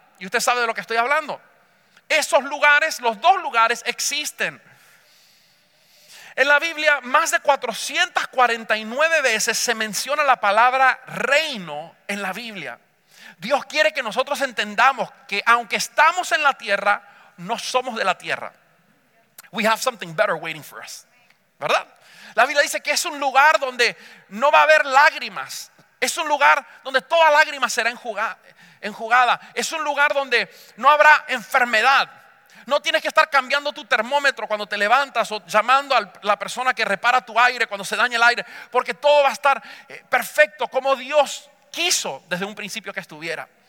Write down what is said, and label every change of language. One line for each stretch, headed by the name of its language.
Spanish: Y usted sabe de lo que estoy hablando. Esos lugares, los dos lugares existen. En la Biblia, más de 449 veces se menciona la palabra reino en la Biblia. Dios quiere que nosotros entendamos que aunque estamos en la tierra, no somos de la tierra.
English: We have something better waiting for us.
Spanish: ¿Verdad? La Biblia dice que es un lugar donde no va a haber lágrimas. Es un lugar donde toda lágrima será enjugada. Es un lugar donde no habrá enfermedad. No tienes que estar cambiando tu termómetro cuando te levantas o llamando a la persona que repara tu aire cuando se daña el aire, porque todo va a estar perfecto como Dios quiso desde un principio que estuviera.